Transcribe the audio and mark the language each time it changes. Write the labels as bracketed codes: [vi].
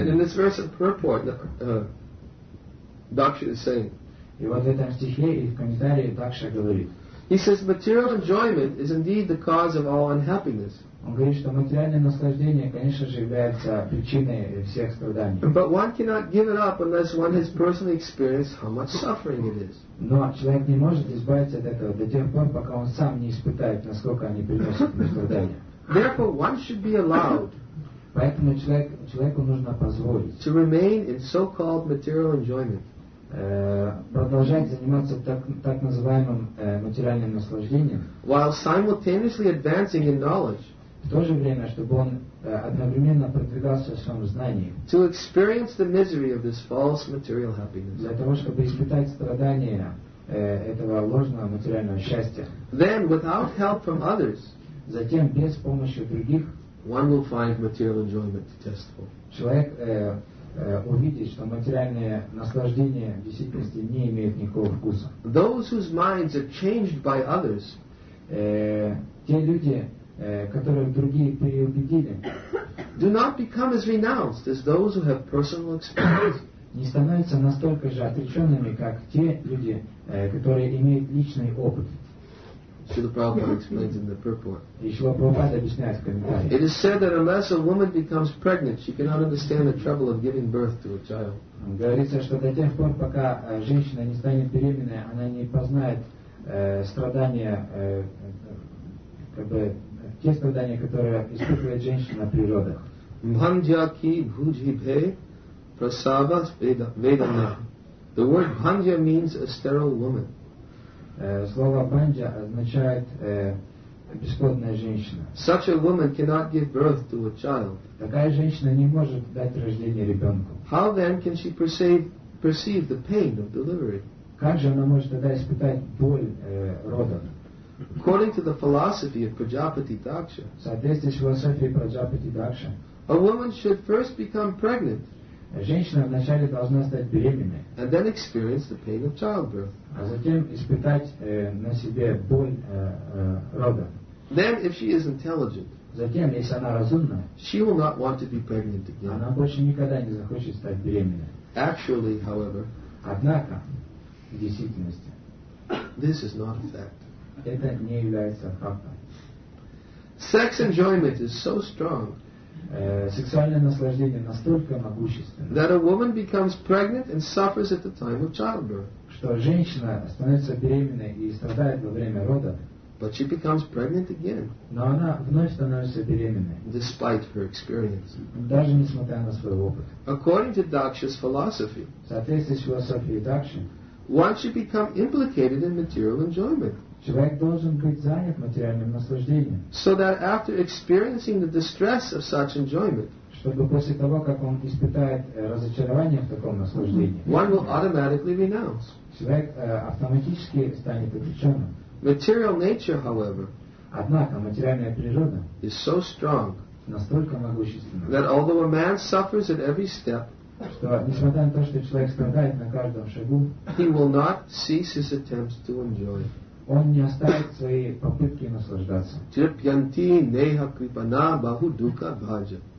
[en] And in this verse of purport, Daksha is saying. [ru] И вот в этом стихе и в комментарии Дакша говорит. [en] He says material enjoyment is indeed the cause of all unhappiness. [ru] Он говорит, что материальное наслаждение, конечно же, является причиной всех страданий. [en] But one cannot give it up unless one has personally experienced how much suffering it is. [ru] Но человек не может избавиться от этого до тех пор, пока он сам не испытает, насколько они приносят ему страдания. [en] Therefore, one should be allowed. [ru] Поэтому человеку нужно позволить. [en] To remain in so-called material enjoyment. [ru] Продолжать заниматься так называемым материальным наслаждением. [en] While simultaneously advancing in knowledge. [ru] В то же время, чтобы он одновременно продвигался в своем знании. [en] To experience the misery of this false material happiness. [ru] Для того, чтобы испытать страдания этого ложного материального счастья. [en] Then, without help from others, [ru] затем, без помощи других, [en] one will find material enjoyment detestable. [ru] Человек увидит, что материальное наслаждение в действительности не имеет никакого вкуса. [en] Those whose minds are changed by others, [ru] те люди, которые другие переубедили, [en] do not become as renounced as those who have personal experience. [ru] Не становятся настолько же отреченными, как те люди, которые имеют личный опыт. [en] Srila Prabhupada explains in the purport. [ru] И Srila Prabhupada объясняет в комментарии. [en] It is said that unless a woman becomes pregnant, she cannot understand the trouble of giving birth to a child. [ru] Говорится, что до тех пор, пока женщина не станет беременной, она не познает страдания, как бы те страдания, которые испытывает женщина при родах. [bn] Бханджа ки бхуджи бе прасава ведана. [en] The word бханджа means a sterile woman. [ru] Слово бханджа означает бесплодная женщина. [en] Such a woman cannot give birth to a child. [ru] Такая женщина не может дать рождение ребенку. [en] How then can she perceive the pain of delivery? [ru] Как же она может тогда испытать боль родов? [en] According to the philosophy of Prajapati Daksha, [ru] соответствующей философии Праджапати Дакша, [en] a woman should first become pregnant. [ru] Женщина вначале должна стать беременной. [en] And then experience the pain of childbirth. [ru] А затем испытать на себе боль рода. [en] Then, if she is intelligent, [ru] затем, если она разумна, [en] she will not want to be pregnant again. [ru] Она больше никогда не захочет стать беременной. [en] Actually, however, [ru] однако, в действительности, [en] this is not a fact. [ru] Это не является фактом. [en] Sex enjoyment is so strong. [ru] Сексуальное наслаждение настолько могущественно. [en] That a woman becomes pregnant and suffers at the time of childbirth. [ru] Что женщина становится беременной и страдает во время рода. [en] But she becomes pregnant again. [ru] Но она вновь становится беременной. [en] Despite her experience. [ru] Даже несмотря на свой опыт. [en] According to Daksha's philosophy. [ru] Соответствующей философии Дакши. [en] One should become implicated in material enjoyment. [ru] Человек должен быть занят материальным наслаждением. [en] So that after experiencing the distress of such enjoyment, [ru] чтобы после того, как он испытает разочарование в таком наслаждении, [en] one will automatically renounce. [ru] Человек автоматически станет обреченным. [en] Material nature, however, [ru] однако материальная природа [en] is so strong, [ru] настолько могущественна, [en] that although a man suffers at every step, [ru] что несмотря на то, что человек страдает на каждом шагу, [en] he will not cease his attempts to enjoy. [ru] Он не оставит свои попытки наслаждаться. [sa] Чирпьянти неха крипана баху дука бхаджа.